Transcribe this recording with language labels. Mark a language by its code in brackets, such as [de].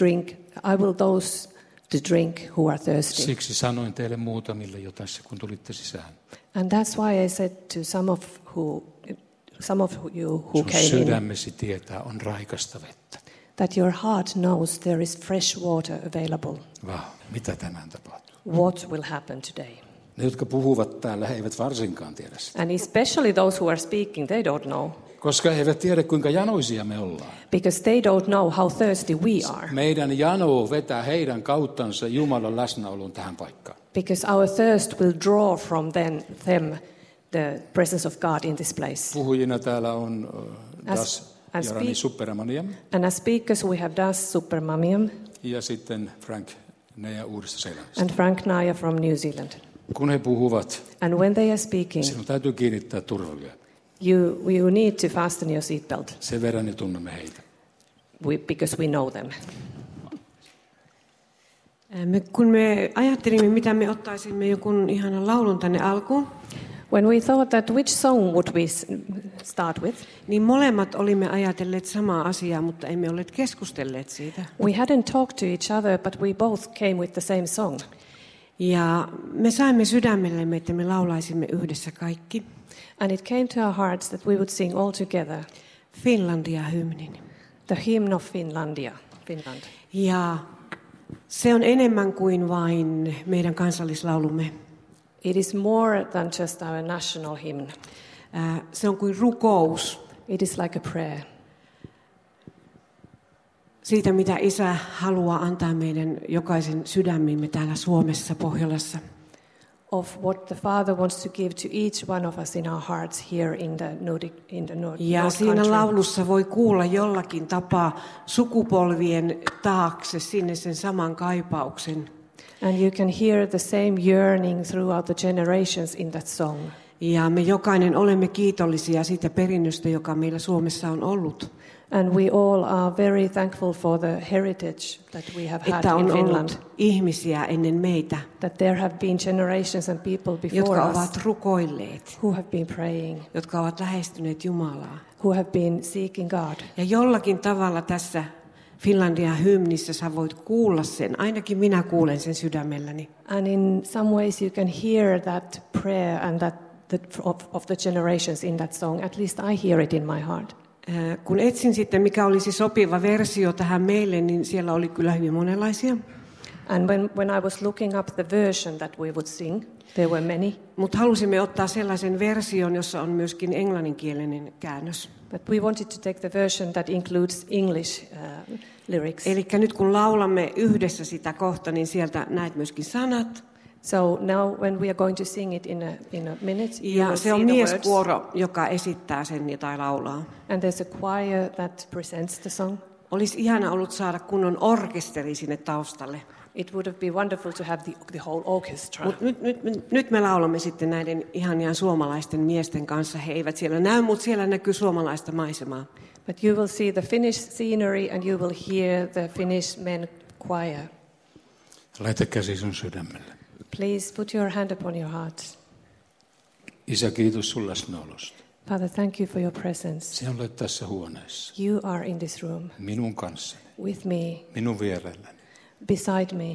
[en] I will give those to drink who are thirsty. [fi] Siksi sanoin teille muutamille jo tässä, kun tulitte sisään. [en] And that's why I said to some of you who [fi] sun [en] came in. [fi] Sun sydämesi tietää on raikasta vettä. [en] That your heart knows there is fresh water available. [fi] Wow. Mitä tänään tapahtuu? [en] What will happen today? [fi] Ne, jotka puhuvat täällä, eivät varsinkaan tiedä sitä. [en] And especially those who are speaking, they don't know. [fi] Koska he eivät tiedä, kuinka janoisia me ollaan. [en] Because they don't know how thirsty we are. [fi] Meidän jano vetää heidän kauttansa Jumalan läsnäoloon tähän paikkaan. [en] Because our thirst will draw from them the presence of God in this place. [fi] Puhujina täällä on Das and Jarani Supermaniam. [en] And as speakers we have Das Supermaniam. [fi] Ja sitten Frank Naja Uudesta-Seelannista. [en] And Frank Naja from New Zealand. [fi] Kun he puhuvat, [en] and when they are speaking, [fi] sinun täytyy kiinnittää turvavyö. [en] You need to fasten your seatbelt. [fi] Sen verran jo tunnemme heitä. [en] Because we know them. [fi] Kun me ajattelimme, mitä me ottaisimme jonkun ihanan laulun tänne alkuun. [en] When we thought that which song would we start with? [fi] Niin molemmat olimme ajatelleet samaa asiaa, mutta emme olleet keskustelleet siitä. [en] We hadn't talked to each other, but we both came with the same song. [fi] Ja me saimme sydämellemme, että me laulaisimme yhdessä kaikki. [en] And it came to our hearts that we would sing all together. [fi] Finlandia-hymnin. [en] The hymn of Finlandia. Finland. [fi] Ja se on enemmän kuin vain meidän kansallislaulumme. [en] It is more than just our national hymn. [fi] Se on kuin rukous. [en] It is like a prayer. [fi] Siitä, mitä Isä haluaa antaa meidän jokaisen sydämiimme täällä Suomessa, Pohjolassa. [en] Of what the Father wants to give to each one of us in our hearts here in the Nordic country. [fi] Ja siinä laulussa voi kuulla jollakin tapaa sukupolvien taakse sinne sen saman kaipauksen. [en] And you can hear the same yearning throughout the generations in that song. [fi] Ja me jokainen olemme kiitollisia siitä perinnöstä, joka meillä Suomessa on ollut. [en] And we all are very thankful for the heritage that we have had in Finland. [fi] Ihmisiä ennen meitä. [en] That there have been generations and people before [fi] jotka ovat rukoilleet, [en] who have been praying, [fi] jotka ovat lähestyneet Jumalaa, [en] who have been seeking God. [fi] Ja jollakin tavalla tässä Finlandia hymnissä sä voit kuulla sen, ainakin minä kuulen sen sydämelläni. [en] And in some ways you can hear that prayer and that of the generations in that song. At least I hear it in my heart. [fi] Kun etsin sitten, mikä olisi sopiva versio tähän meille, niin siellä oli kyllä hyvin monenlaisia. [en] And when I was looking up the version that we would sing, there were many. [fi] Mut halusimme ottaa sellaisen version, jossa on myöskin englanninkielinen käännös. [en] But we wanted to take the version that includes English lyrics. [fi] Elikkä nyt kun laulamme yhdessä sitä kohta, niin sieltä näet myöskin sanat. [en] So now when we are going to sing it in a minute, [fi] ja se on mieskuoro, joka esittää sen tai laulaa. [en] And there's a choir that presents the song. [fi] Olisi ihana ollut saada kunnon orkesteri sinne taustalle. [en] It would have been wonderful to have the whole orchestra. [fi] Mut nyt me laulamme sitten näiden ihania suomalaisten miesten kanssa. He eivät siellä näy, mutta siellä näkyy suomalaista maisemaa. [en] But you will see the Finnish scenery and you will hear the Finnish men choir. [fi] Laita käsi sun sydämelle. [en] Please put your hand upon your heart. [fi] Isä, kiitos sun läsnäolosta. [en] Father, thank you for your presence. [fi] Sinä olet tässä huoneessa. [en] You are in this room. [fi] Minun kanssa. [en] With me. [fi] Minun vierelläni. [en] Beside me.